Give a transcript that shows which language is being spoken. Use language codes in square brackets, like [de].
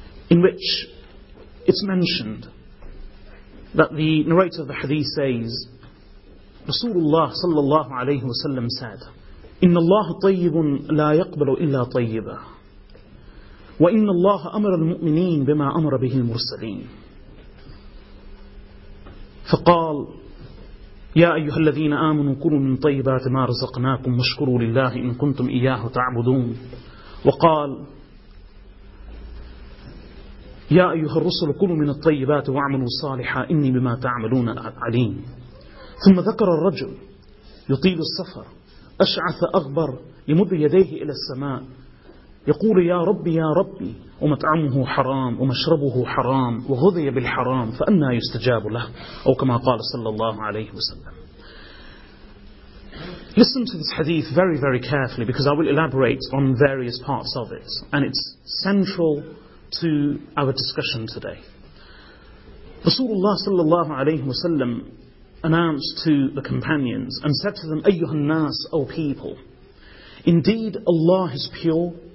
[en] in which it's mentioned that the narrator of the hadith says, Rasulullah sallallahu alayhi wa sallam said, [ar] إِنَّ اللَّهَ طَيِّبٌ لَا يَقْبَلُ إِلَّا طَيِّبًا وَإِنَّ اللَّهَ أَمَرَ الْمُؤْمِنِينَ بِمَا أَمَرَ بِهِ الْمُرْسَلِينَ فقال, يَا أَيُّهَا الَّذِينَ آمَنُوا كُلُوا مِنْ طَيِّبَاتِ مَا رَزَقْنَاكُمْ وَاشْكُرُوا لِلَّهِ إِنْ كُنْتُمْ إِيَّاهُ تَعْبُدُونَ. وقال, يا أيها الرسل كلوا من الطيبات واعملوا صالحا إني بما تعملون عليم. ثم ذكر الرجل يطيل السفر أشعث أغبر يمد يديه إلى السماء يقول يا ربي يا ربي ومطعمه حرام ومشربه حرام وغذي بالحرام فأنى يستجاب له، أو كما قال صلى الله عليه وسلم. [en] Listen to this hadith very very carefully because I will elaborate on various parts of it and it's central to our discussion today. Rasulullah صلى الله عليه وسلم announced to the companions and said to them, [ar] أَيُّهَا النَّاسُ [en] O people, indeed Allah is pure.